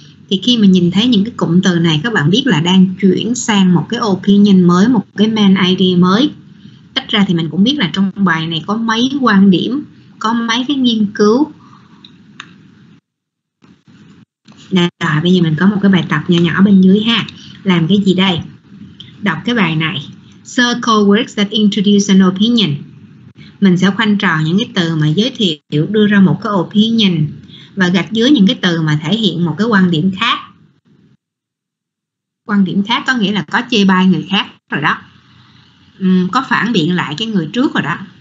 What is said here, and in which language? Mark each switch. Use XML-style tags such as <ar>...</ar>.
<vi>Thì khi mà nhìn thấy những cái cụm từ này, các bạn biết là đang chuyển sang một cái opinion mới, một cái main idea mới. Ít ra thì mình cũng biết là trong bài này có mấy quan điểm, có mấy cái nghiên cứu. Bây giờ mình có một cái bài tập nhỏ nhỏ bên dưới ha. Làm cái gì đây? Đọc cái bài này.</vi> <en>Circle words that introduce an opinion.</en> <vi>Mình sẽ khoanh tròn những cái từ mà giới thiệu đưa ra một cái opinion, và gạch dưới những cái từ mà thể hiện một cái quan điểm khác. Quan điểm khác có nghĩa là có chê bai người khác rồi đó. Có phản biện lại cái người trước rồi đó.</vi>